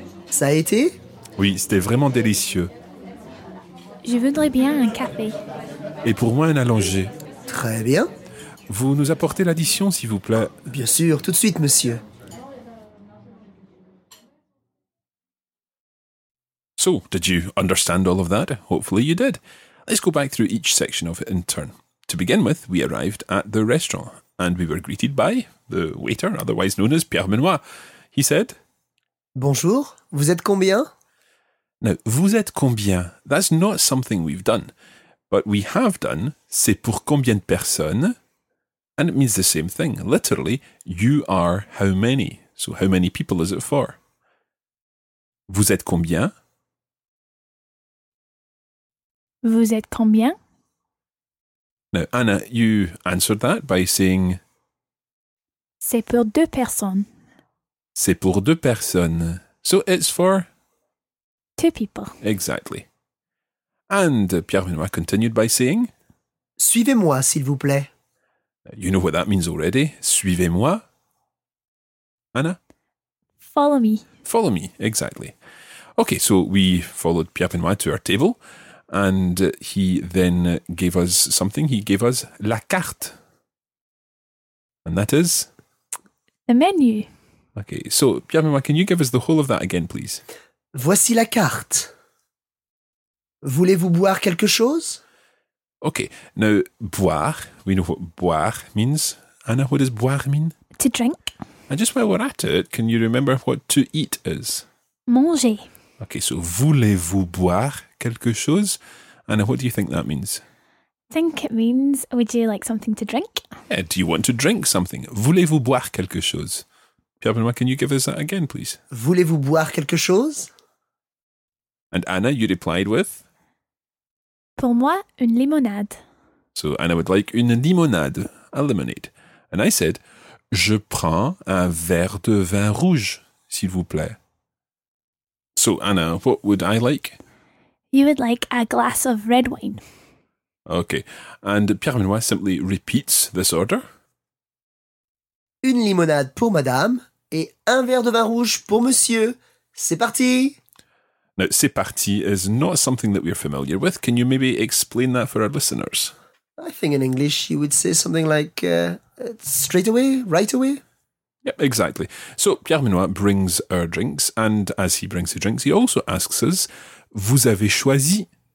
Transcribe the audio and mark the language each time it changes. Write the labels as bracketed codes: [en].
[fr] Ça a été? Oui, c'était vraiment délicieux. Je voudrais bien un café. Et pour moi, un allongé. Très bien. Vous nous apportez l'addition, s'il vous plaît. Bien sûr, tout de suite, monsieur. [en] So, did you understand all of that? Hopefully you did. Let's go back through each section of it in turn. To begin with, we arrived at the restaurant, and we were greeted by the waiter, otherwise known as Pierre Benoit. He said... [fr] Bonjour, vous êtes combien? Now, vous êtes combien? [en] That's not something we've done. But we have done, [fr] c'est pour combien de personnes? [en] And it means the same thing. Literally, you are how many. So how many people is it for? [fr] Vous êtes combien? Vous êtes combien? [en] Now, Anna, you answered that by saying... [fr] C'est pour deux personnes. C'est pour deux personnes. [en] So it's for... Two people. Exactly. And Pierre Benoit continued by saying... [fr] Suivez-moi, s'il vous plaît. [en] You know what that means already. [fr] Suivez-moi. Anna? [en] Follow me. Follow me, exactly. Okay, so we followed Pierre Benoit to our table, and he then gave us something. He gave us la carte. And that is... The menu. Okay, so Pierre Benoit, can you give us the whole of that again, please? [fr] Voici la carte. Voulez-vous boire quelque chose? [en] Okay, now, boire, we know what boire means. Anna, what does boire mean? To drink. And just while we're at it, can you remember what to eat is? [fr] Manger. [en] Okay, so [fr] voulez-vous boire quelque chose? [en] Anna, what do you think that means? I think it means, would you like something to drink? Yeah, do you want to drink something? [fr] Voulez-vous boire quelque chose? [en] Pierre-Benoît, can you give us that again, please? [fr] Voulez-vous boire quelque chose? [en] And Anna, you replied with? [fr] Pour moi, une limonade. [en] So Anna would like une limonade, a lemonade. And I said, [fr] je prends un verre de vin rouge, s'il vous plaît. [en] So Anna, what would I like? You would like a glass of red wine. Okay, and Pierre-Benoît simply repeats this order. [fr] Une limonade pour madame et un verre de vin rouge pour monsieur. C'est parti! [en] Now, [fr] c'est parti [en] is not something that we're familiar with. Can you maybe explain that for our listeners? I think in English you would say something like straight away, right away. Yep, exactly. So Pierre-Benoît brings our drinks, and as he brings the drinks, he also asks us, [fr] vous avez choisi?